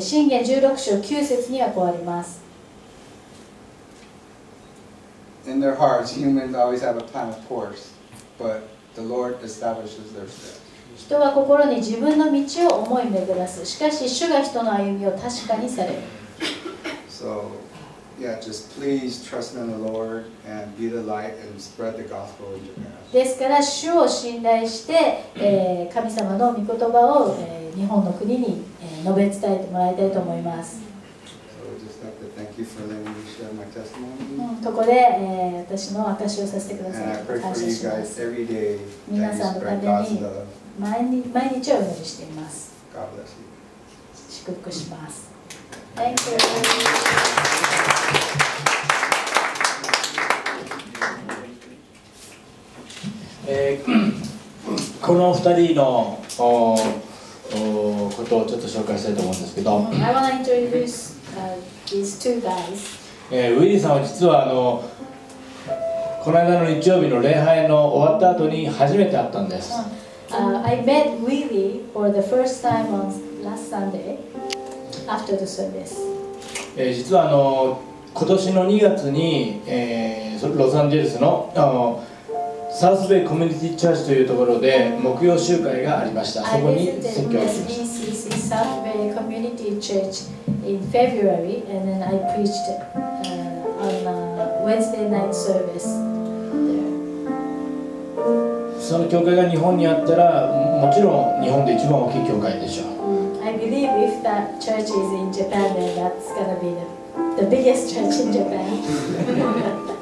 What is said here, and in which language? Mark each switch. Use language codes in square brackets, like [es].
[ja] 箴言16章9節にはこうあります。 [en] In their hearts, humans always have a plan of course, butThe Lord establishes their steps. [ja] 人は心に自分の道を思い巡らす。しかし主が人の歩みを確かにされる。 [en] So, yeah, just please trust in the Lord and be the light and spread the gospel in Japan. [ja] ですから主を信頼して、神様の御言葉を、日本の国に、述べ伝えてもらいたいと思います。 [en] So just have to thank you for letting me share my testimony. [ja] ここで、私の証をさせてください。感謝します。皆さんのために毎日をお祈りしています。祝福します。 [en] Thank you. Thank you. [ja] この二人のことをちょっと紹介したいと思うんですけど、 [en] I want to introduce these two guys [ja] ウィリーさんは実はこの間の日曜日の礼拝の終わった後に初めて会ったんです。 [en] I met Willie for the first time on last Sunday after the service. [ja] 実は今年の2月に、ロサンゼルス のサウスベイコミュニティチャーチというところで木曜集会がありました。そこに説教しました。 [en] South Bay Community Church in February, and then I preached on a Wednesday night service there. [ja] その教会が日本にあったら、もちろん日本で一番大きい教会でしょう。 [en] I believe if that church is in Japan, then that's gonna be the biggest church in Japan.